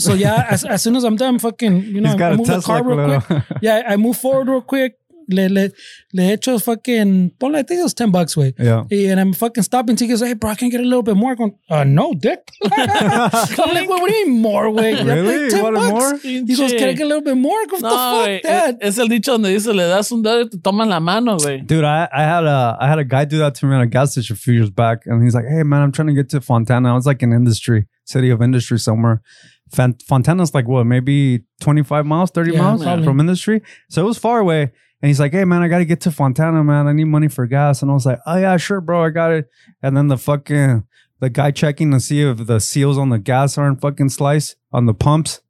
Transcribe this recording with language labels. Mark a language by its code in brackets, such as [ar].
[en] So yeah, as soon as I'm done, fucking, you know, I move the car real quick. Yeah, I move forward real quick. [es] Le echo [en] fucking, ponle, I think it was $10, güey. Yeah. And I'm fucking stopping. He goes, hey, bro, I can get a little bit more. I'm going, no, dick. I'm like, what do you mean more, güey? Really? Like, $10? More? He goes, can I get a little bit more? What the fuck, wey, dad? [es] Es el dicho donde dice, le das un dedo y te toman la mano, güey. [en] Dude, I had a guy do that to me at a gas station a few years back. And he's like, hey, man, I'm trying to get to Fontana. I was like in industry, city of industry somewhere. Fontana's like, what, maybe 25 miles, 30 yeah, miles man. From industry? So it was far away. And he's like, hey, man, I got to get to Fontana, man. I need money for gas. And I was like, oh, yeah, sure, bro. I got it. And then the guy checking to see if the seals on the gas aren't fucking sliced on the pumps.